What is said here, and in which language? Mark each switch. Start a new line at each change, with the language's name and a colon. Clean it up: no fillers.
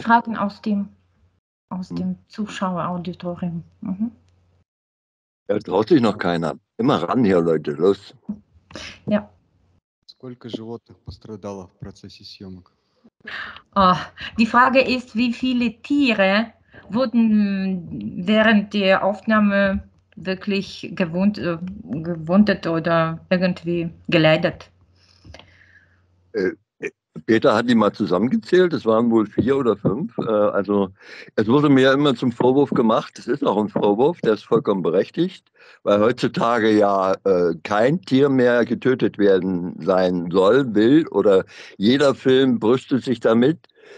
German: Fragen aus dem Zuschauer-Auditorium. Mhm. Ja, traut sich noch keiner. Immer ran hier, Leute, los. Ja.
Russian: Сколько животных пострадало в процессе съемок?
German: Die Frage ist, wie viele Tiere wurden während der Aufnahme wirklich gewundet oder irgendwie geleidet? Peter hat die mal zusammengezählt, es waren wohl 4 oder 5. Also es wurde mir ja immer zum Vorwurf gemacht, es ist auch ein Vorwurf, der ist vollkommen berechtigt, weil heutzutage ja kein Tier mehr getötet werden sein soll, will oder jeder Film brüstet sich damit.